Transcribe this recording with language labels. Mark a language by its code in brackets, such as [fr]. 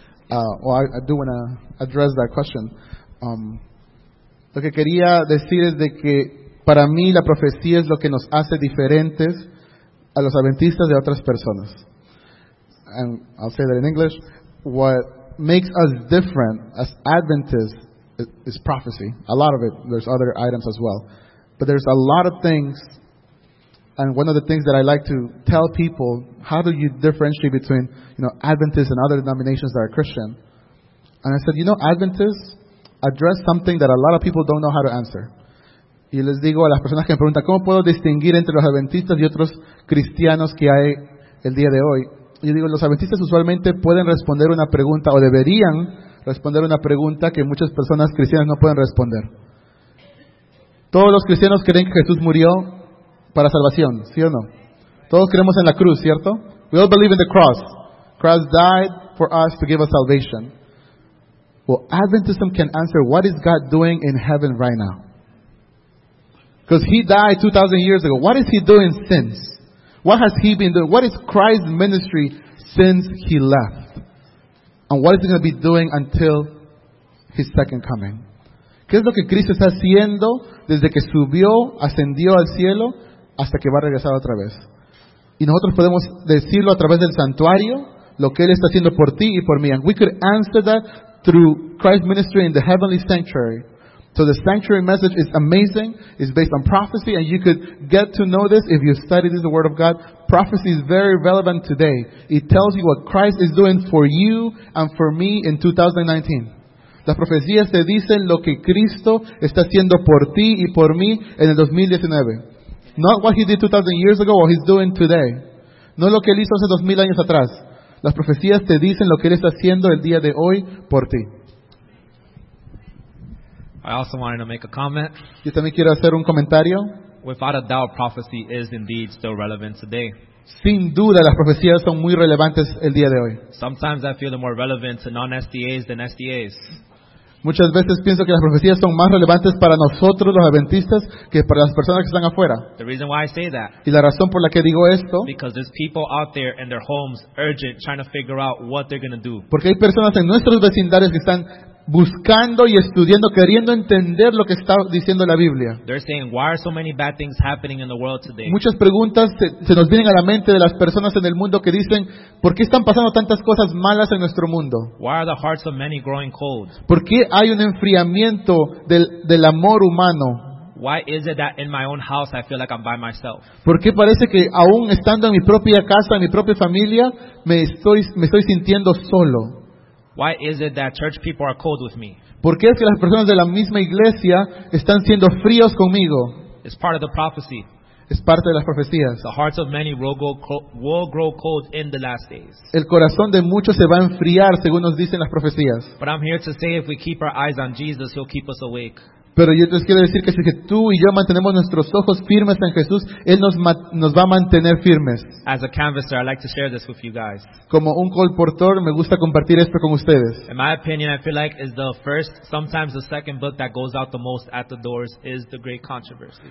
[en] I do want to address that question. [es] Lo que quería decir es de que para mí la profecía es lo que nos hace diferentes a los adventistas de otras personas. [en] And I'll say that in English. What makes us different as Adventists is prophecy. A lot of it. There's other items as well. But there's a lot of things. And one of the things that I like to tell people, how do you differentiate between, you know, Adventists and other denominations that are Christian? And I said, you know, Adventists address something that a lot of people don't know how to answer. [es] Y les digo a las personas que me preguntan, ¿cómo puedo distinguir entre los Adventistas y otros cristianos que hay el día de hoy? Yo digo, los adventistas usualmente pueden responder una pregunta o deberían responder una pregunta que muchas personas cristianas no pueden responder. Todos los cristianos creen que Jesús murió para salvación, ¿sí o no? Todos creemos en la cruz, ¿cierto? [en] We all believe in the cross. Christ died for us to give us salvation. Well, Adventism can answer, what is God doing in heaven right now? Because He died 2,000 years ago. What is He doing since? What has He been doing? What is Christ's ministry since He left? And what is He going to be doing until His second coming? [es] ¿Qué es lo que Cristo está haciendo desde que subió, ascendió al cielo, hasta que va a regresar otra vez? Y nosotros podemos decirlo a través del santuario, lo que Él está haciendo por ti y por mí. [en] And we could answer that through Christ's ministry in the heavenly sanctuary. So the sanctuary message is amazing. It's based on prophecy. And you could get to know this if you study this, the Word of God. Prophecy is very relevant today. It tells you what Christ is doing for you and for me in 2019. [es] Las profecías te dicen lo que Cristo está haciendo por ti y por mí en el 2019. [en] Not what He did 2,000 years ago, what He's doing today. [es] No lo que Él hizo hace 2,000 años atrás. Las profecías te dicen lo que Él está haciendo el día de hoy por ti. [en] I also wanted to make a comment. [es] Yo también quiero hacer un comentario. [en] Without a doubt, prophecy is indeed still relevant today. [es] Sin duda, las profecías son muy relevantes el día de hoy. [en] Sometimes I feel more relevant to non-SDAs than SDAs. [es] Muchas veces pienso que las profecías son más relevantes para nosotros, los adventistas, que para las personas que están afuera. [en] The reason why I say that, [es] y la razón por la que digo esto, [en] because there's people out there in their homes, urgent, trying to figure out what they're going to do. [es] Porque hay personas en nuestros vecindarios que están buscando y estudiando, queriendo entender lo que está diciendo la Biblia. [en] They're saying, why are so many bad things happening in the world today? [es] Muchas preguntas se nos vienen a la mente de las personas en el mundo que dicen, ¿por qué están pasando tantas cosas malas en nuestro mundo? [en] Why are the hearts of many growing cold? [es] ¿Por qué hay un enfriamiento del amor humano? [en] Why is it that in my own house I feel like I'm by myself? [es] ¿Por qué parece que aún estando en mi propia casa, en mi propia familia, me estoy sintiendo solo? [en] Why is it that church people are cold with me? [es] ¿Por qué es que las personas de la misma iglesia están siendo fríos conmigo? [en] It's part of the prophecy. [es] Es parte de las profecías. [en] The hearts of many will grow cold in the last days. [es] El corazón de muchos se va a enfriar, según nos dicen las profecías. [en] But I'm here to say if we keep our eyes on Jesus, He'll keep us awake. [es] Pero yo les quiero decir que si tú y yo mantenemos nuestros ojos firmes en Jesús, Él nos va a mantener firmes. [en] As a canvasser, I like to share this with you guys. [es] Como un colportor, me gusta compartir esto con ustedes. [en] In my opinion, I feel like it's the first, sometimes the second book that goes out the most at the doors is The Great Controversy.